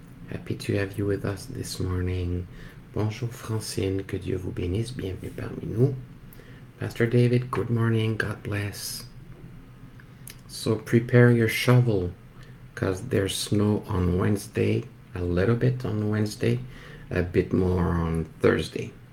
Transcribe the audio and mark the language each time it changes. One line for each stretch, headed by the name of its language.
English: Happy to have you with us this morning.
French: Bonjour Francine, que Dieu vous bénisse, bienvenue parmi nous.
English: Pastor David, good morning, God bless. So prepare your shovel, because there's snow on Wednesday, a little bit on Wednesday, a bit more on Thursday.